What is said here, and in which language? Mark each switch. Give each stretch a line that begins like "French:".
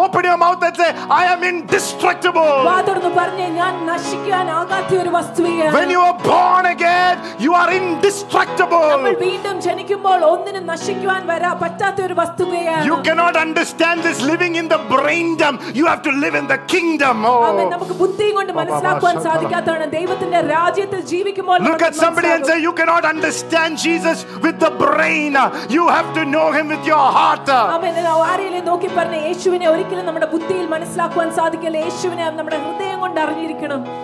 English: Open your mouth and say, I am indestructible.
Malayalam: വാ തുറന്ന് പറഞ്ഞേ, ഞാൻ നശിക്കാൻ ആകാത്ത ഒരു വസ്തുവാണ്.
English: When you are born again, you are indestructible.
Malayalam: നമ്മൾ വീണ്ടും ജനിക്കുമ്പോൾ ഒന്നിനും നശിക്കാൻ വരാ പറ്റാത്ത ഒരു വസ്തുവാണ്.
English: You cannot understand this living in the brain dumb. You have to live in the kingdom.
Malayalam: നമുക്ക് ബുദ്ധി കൊണ്ട് മനസ്സിലാക്കാൻ സാധിക്കാത്തതാണ്. ദൈവത്തിന്റെ രാജ്യത്തിൽ ജീവിക്കുമ്പോൾ
English: Look at somebody and say, you cannot understand Jesus with the brain. You have to know him with your heart.
Malayalam: അമേൻ. ആരെയെ നോക്കി പറഞ്ഞു, യേശുവിനെ ഒരിക്കലും നമ്മുടെ ബുദ്ധിയിൽ മനസ്സിലാക്കാൻ സാധിക്കില്ല, യേശുവിനെ നമ്മുടെ ഹൃദയം കൊണ്ട് അറിഞ്ഞിരിക്കണം.